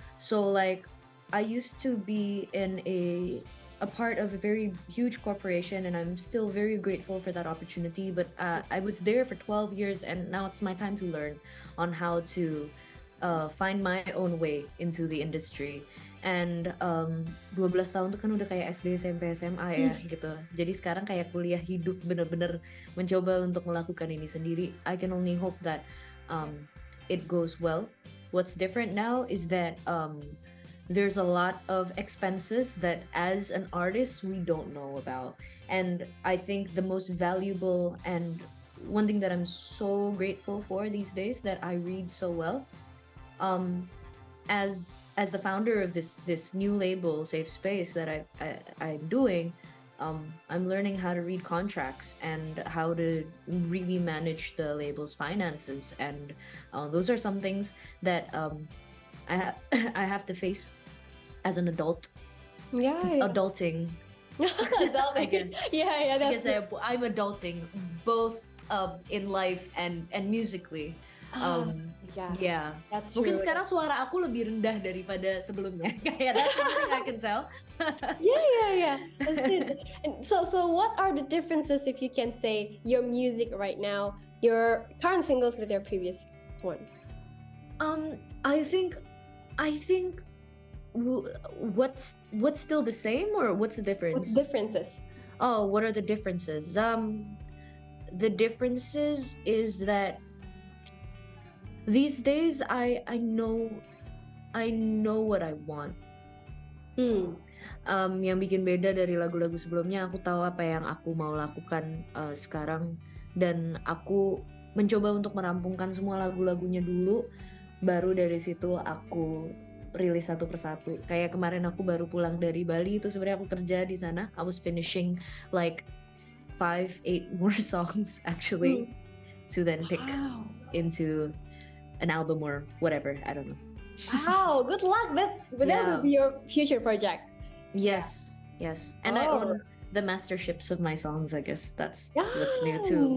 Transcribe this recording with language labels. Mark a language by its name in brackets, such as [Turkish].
[English] So like, I used to be in a part of a very huge corporation, and I'm still very grateful for that opportunity, but I was there for 12 years, and now it's my time to learn on how to find my own way into the industry. [Indonesian] And 12 tahun itu kan udah kayak SD, SMP, SMA ya, gitu. Jadi sekarang kayak kuliah hidup, bener-bener mencoba untuk melakukan ini sendiri. [English] I can only hope that it goes well. What's different now is that there's a lot of expenses that as an artist we don't know about, and I think the most valuable and one thing that I'm so grateful for these days that I read so well, as the founder of this new label Safe Space that I'm doing, I'm learning how to read contracts and how to really manage the label's finances, and those are some things that I have to face as an adult. Adulting. Adulting. I'm adulting both in life and musically. That's true. [Indonesian] Mungkin sekarang suara aku lebih rendah daripada sebelumnya. [English] Yeah, that's something I can tell. yeah. So what are the differences, if you can say, your music right now, your current singles with your previous one? I think what's still the same, or what's the difference? What's differences? Oh, what are the differences? The differences is that these days I know what I want. [Indonesian] Yang bikin beda dari lagu-lagu sebelumnya, aku tahu apa yang aku mau lakukan sekarang, dan aku mencoba untuk merampungkan semua lagu-lagunya dulu, baru dari situ aku rilis satu persatu. Kayak kemarin aku baru pulang dari Bali, itu sebenarnya aku kerja di sana. [English] I was finishing like 5-8 more songs actually to then pick into an album or whatever. I don't know. Wow, good luck. That's yeah. That will be your future project. Yes, yes. And I own the masterships of my songs. I guess that's what's new too.